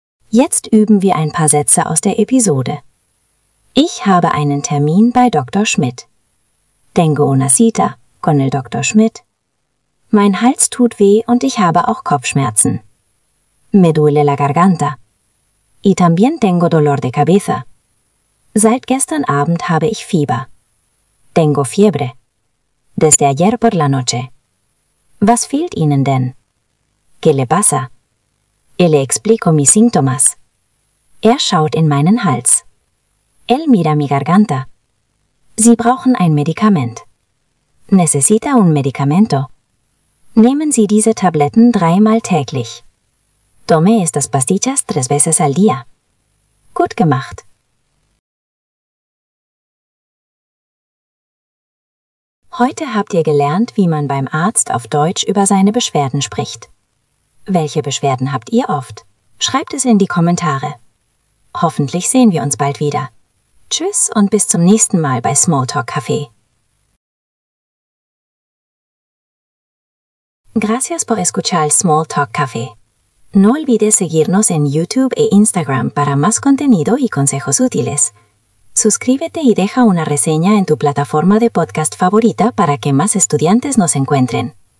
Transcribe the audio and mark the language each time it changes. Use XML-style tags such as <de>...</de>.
<de>Jetzt üben wir ein paar Sätze aus der Episode. Ich habe einen Termin bei Dr. Schmidt.</de> <es>Tengo una cita con el Dr. Schmidt.</es> <de>Mein Hals tut weh und ich habe auch Kopfschmerzen.</de> <es>Me duele la garganta. Y también tengo dolor de cabeza.</es> <de>Seit gestern Abend habe ich Fieber.</de> <es>Tengo fiebre. Desde ayer por la noche.</es> <de>Was fehlt Ihnen denn?</de> <es>¿Qué le pasa? Y le explico mis síntomas.</es> <de>Er schaut in meinen Hals.</de> <es>Él mira mi garganta.</es> <de>Sie brauchen ein Medikament.</de> <es>Necesita un medicamento.</es> <de>Nehmen Sie diese Tabletten 3-mal täglich.</de> <es>Tome estas pastillas 3 veces al día.</es> <de>Gut gemacht. Heute habt ihr gelernt, wie man beim Arzt auf Deutsch über seine Beschwerden spricht. Welche Beschwerden habt ihr oft? Schreibt es in die Kommentare. Hoffentlich sehen wir uns bald wieder. Tschüss und bis zum nächsten Mal bei Smalltalk Café.</de> <es>Gracias por escuchar Smalltalk Café. No olvides seguirnos en YouTube e Instagram para más contenido y consejos útiles. Suscríbete y deja una reseña en tu plataforma de podcast favorita para que más estudiantes nos encuentren.</es>